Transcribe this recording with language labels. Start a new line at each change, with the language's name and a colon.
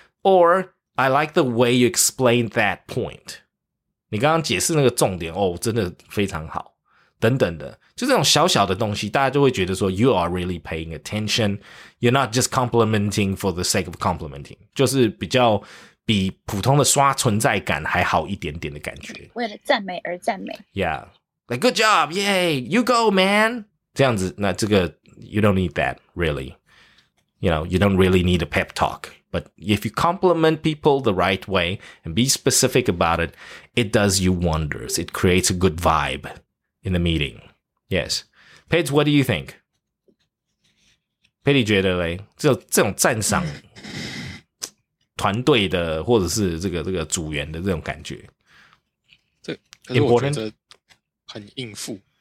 English: Or I like the way you explained that point.
Chinese: 你刚刚解释那个重点，哦，真的非常好，等等的，就这种小小的东西，大家就会觉得说
English: you are really paying attention. You're not just complimenting for the sake of complimenting.
Chinese: 就是比较比普通的刷存在感还好一点点的感觉。为了赞美而赞美。
English: Yeah. Like, good job, yay, you go, man.
Chinese: 这样子，那这个
English: you don't need that, really. You know, you don't really need a pep talk. But if you compliment people the right way and be specific about it, it does you wonders. It creates a good vibe in the meeting. Yes. Pets, what do you think?
Chinese: Petty 觉得咧，这种赞赏团队的或者是这个组员的这种感觉，这可是我觉得很应付。